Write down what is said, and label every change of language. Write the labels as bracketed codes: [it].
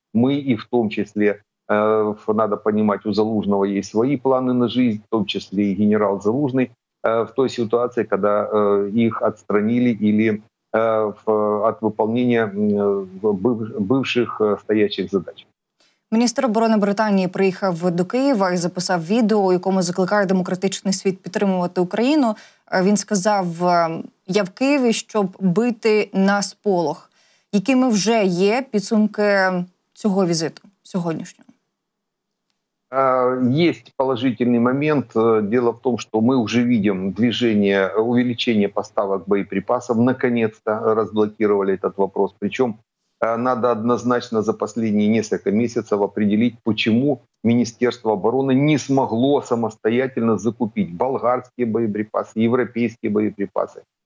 [ru] Мы и в том числе, надо понимать, у Залужного есть свои планы на жизнь, в том числе и генерал Залужный, в той ситуации, когда их отстранили или от выполнения бывших стоящих задач. [uk] Міністр оборони Британії приїхав до Києва і записав відео, у якому закликає демократичний світ підтримувати Україну. Він сказав: «Я в Києві, щоб бити на сполох». Якими вже є підсумки цього візиту сьогоднішнього? Є [ru] положительний [uk] момент. Діло в тому, що ми вже бачимо движення, увеличення поставок боєприпасів. [ru] Наконец-то [uk] розблокували цей [ru] вопрос. Причому надо однозначно за последние несколько месяцев определить, почему Министерство обороны не смогло самостоятельно закупить болгарские боеприпасы, европейские боеприпасы.